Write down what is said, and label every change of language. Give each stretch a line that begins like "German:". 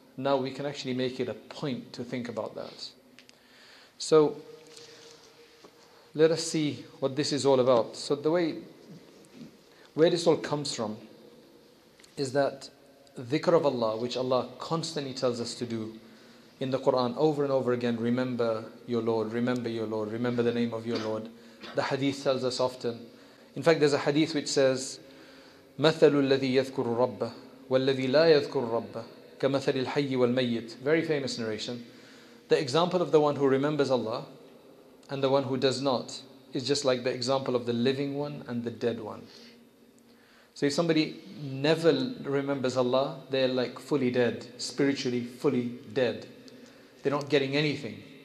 English: Now we can actually make it a point to think about that. So let us see what this is all about. So the way, where this all comes from is that dhikr of Allah, which Allah constantly tells us to do in the Quran over and over again, remember your Lord, remember your Lord, remember the name of your Lord. The hadith tells us often. In fact, there's a hadith which says,
Arabic: مَثَلُ الَّذِي يَذْكُرُ رَبَّهُ وَالَّذِي لَا يَذْكُرُ رَبَّهُ كَمَثَلِ الْحَيِّ وَالْمَيِّتِ.
English: Very famous narration. The example of the one who remembers Allah and the one who does not is just like the example of the living one and the dead one. So if somebody never remembers Allah, they're like fully dead, spiritually fully dead. They're not getting anything.